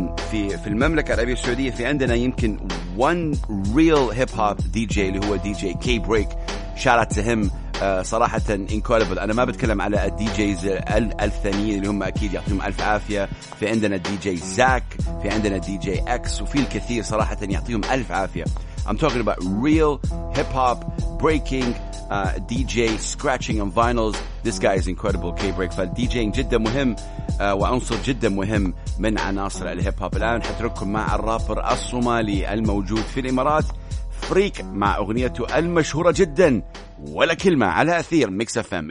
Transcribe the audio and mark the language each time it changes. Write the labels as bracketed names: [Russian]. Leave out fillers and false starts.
[Arabic] في المملكة العربية السعودية في عندنا يمكن [English] one real hip hop DJ [Arabic] اللي هو DJ K-Break, [English] shout out to him. [Arabic] صراحة [English] incredible. [Arabic] أنا ما بتكلم على الدي جيز الثانيين اللي هم أكيد يعطيهم ألف عافية, في عندنا الدي جي زاك, في عندنا الدي جي أكس, وفي الكثير صراحة يعطيهم ألف عافية. [English] I'm talking about real hip hop breaking DJ scratching on vinyls. This guy is incredible, K-Break. [Arabic] فالديجيينج جدا مهم وعنصر جدا مهم من عناصر الهيب هوب. الآن حتركم مع الرابر الصومالي الموجود في الإمارات فريك مع أغنيته المشهورة جدا ولا كلمة على أثير Mix FM.